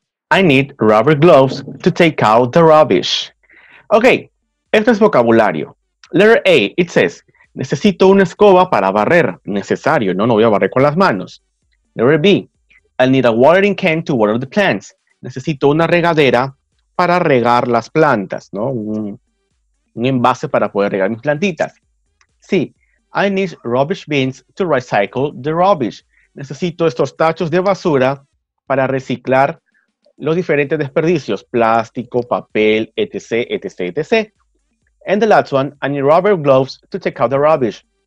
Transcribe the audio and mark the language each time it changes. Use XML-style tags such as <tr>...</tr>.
<en>I need rubber gloves to take out the rubbish.</en> <es>Okay, esto es vocabulario.</es> <en>Letter A, it says,</en> <es>necesito una escoba para barrer. Necesario, ¿no? No voy a barrer con las manos.</es> <en>Letter B. I need a watering can to water the plants.</en> <es>Necesito una regadera para regar las plantas, ¿no? Un envase para poder regar mis plantitas.</es> <en>Sí, I need rubbish bins to recycle the rubbish.</en> <es>Necesito estos tachos de basura para reciclar los diferentes desperdicios, plástico, papel, etc., etc., etc.</es> <en>And the last one, I need rubber gloves to take out the rubbish.</en>